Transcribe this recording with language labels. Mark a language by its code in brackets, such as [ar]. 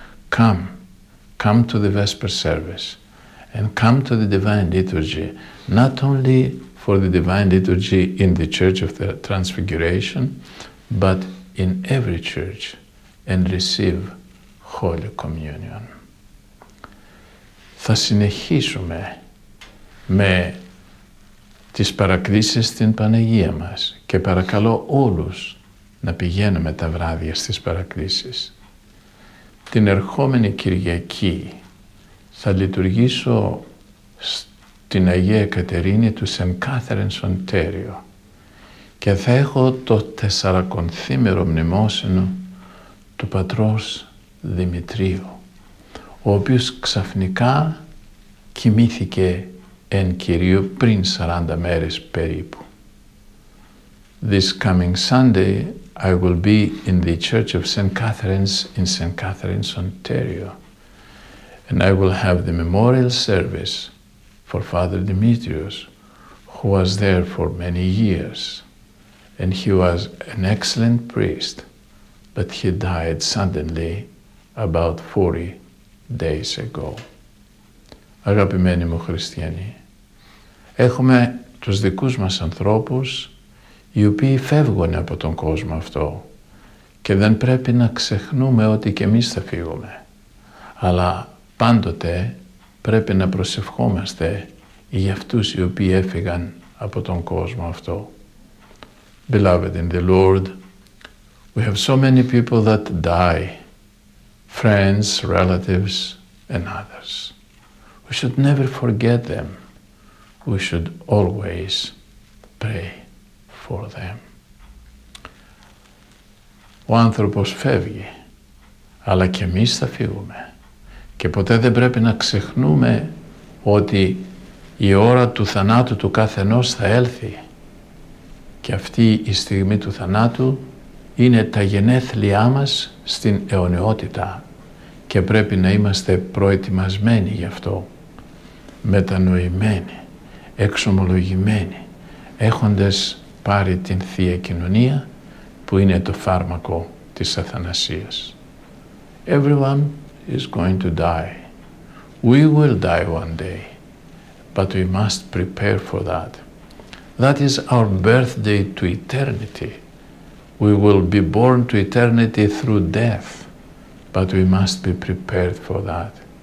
[en] Come, come to the Vesper service and come to the Divine Liturgy, not only for the Divine Liturgy in the Church of the Transfiguration, but in every church, and receive Holy Communion. [el] Θα συνεχίσουμε με τις παρακλήσεις στην Παναγία μας και παρακαλώ όλους να πηγαίνουμε τα βράδια στις παρακλήσεις. Την ερχόμενη Κυριακή θα λειτουργήσω στην Αγία Εκατερίνη του Σεν Κάθερινς Οντέριο και θα έχω το 40ήμερο μνημόσυνο του πατρός Δημητρίου, ο οποίος ξαφνικά κοιμήθηκε εν Κυρίου πριν 40 μέρες περίπου. [en] This coming Sunday I will be in the Church of St. Catharines in St. Catharines, Ontario, and I will have the memorial service for Father Demetrios, who was there for many years, and he was an excellent priest, but he died suddenly about 40 days ago. [el] Αγαπημένοι μου χριστιανοί, έχουμε τους δικούς μας ανθρώπους οι οποίοι φεύγουν από τον κόσμο αυτό και δεν πρέπει να ξεχνούμε ότι και εμείς θα φύγουμε, αλλά πάντοτε πρέπει να προσευχόμαστε για αυτούς οι οποίοι έφυγαν από τον κόσμο αυτό. [en] Beloved in the Lord, we have so many people that die, friends, relatives and others. We should never forget them. We should always pray for them. [el] Ο άνθρωπος φεύγει, αλλά και εμείς θα φύγουμε. Και ποτέ δεν πρέπει να ξεχνούμε ότι η ώρα του θανάτου του καθενός θα έλθει. Και αυτή η στιγμή του θανάτου είναι τα γενέθλιά μας στην αιωνιότητα. Και πρέπει να είμαστε προετοιμασμένοι γι' αυτό. Μετανοημένοι, εξομολογημένοι, έχοντες πάρει την Θεία Κοινωνία που είναι το φάρμακο της αθανασίας. [en] Everyone is going to die. We will die one day, but we must prepare for that. That is our birthday to eternity. We will be born to eternity through death, but we must be prepared for that.